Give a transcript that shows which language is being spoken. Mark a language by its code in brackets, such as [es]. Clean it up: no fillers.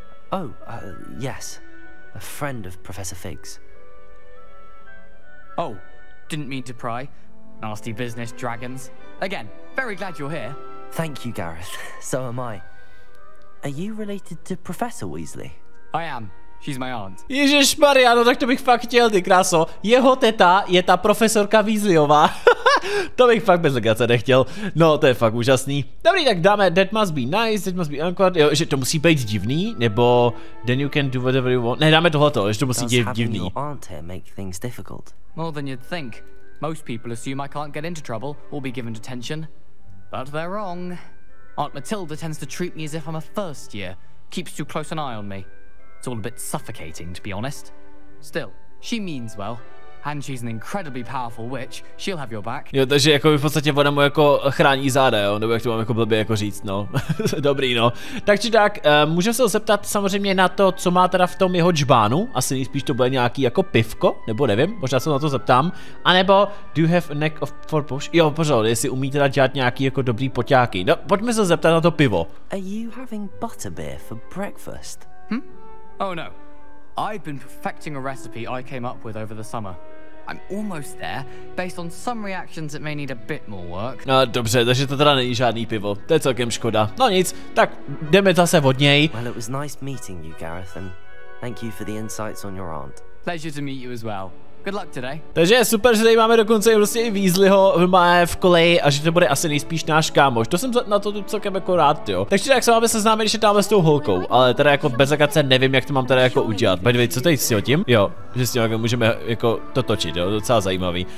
[en] Oh, yes. A friend of Professor Fig's. Oh, didn't mean to pry. Nasty business, dragons. Again, very glad you're here. Thank you, Gareth. So am I. Are you related to Professor Weasley? I am. She's my aunt. [cs] Ježišmarja, no tak to bych fakt chtěl, ty kráso. Jeho teta je ta profesorka Weasleyová. To bych fakt bez legace nechtěl. No, to je fakt úžasný. Dobrý, tak dáme [en] that must be nice, that must be awkward. [cs] Jo, že to musí být divný, nebo [en] then you can do whatever you want. [cs] Ne, dáme tohleto, že to musí být divný. [en] Does having your aunt here make things difficult? More than you'd think. Most people assume I can't get into trouble or be given detention. But they're wrong. Aunt Matilda tends to treat me as if I'm a first year. Keeps too close an eye on me. It's all a bit suffocating, to be honest. Still, she means well. And she's an incredibly powerful witch. She'll have your back. [cs] Jo, takže jako v podstatě ona mu jako chrání záda, jo? Nebo jak to mám jako blbě jako říct, no. Dobrý, no. Tak či tak, můžeme se ho zeptat samozřejmě na to, co má teda v tom jeho džbánu. Asi nejspíš to bude nějaký jako pivko, nebo nevím, možná se na to zeptám. A nebo, [en] do you have a neck of for push? [cs] Jo, pořád, jestli umí teda dělat nějaký jako dobrý poťáky. No, pojďme se zeptat na to pivo. [en] Are you having butterbeer for breakfast? Hm? Oh no, I've been perfecting a recipe I came up with over the summer. I'm almost there, based on some reactions it may need a bit more work. [cs] No dobře, takže to teda není žádný pivo, to je celkem škoda. No nic, tak jdeme zase od něj. [en] Well, it was nice meeting you, Gareth, and thank you for the insights on your aunt. Pleasure to meet you as well. Good luck today. [cs] Takže je super, že tady máme dokonce vlastně i Weasleyho v koleji a že to bude asi nejspíš náš kámoš. To jsem na to tu celkem jako rád, jo. Takže tak se máme seznámit, že tam s tou holkou, ale teda jako bez akace nevím, jak to mám teda jako udělat. Pojďme, co teď si o tím? Jo, že s tím jako můžeme jako to točit, jo, docela zajímavý.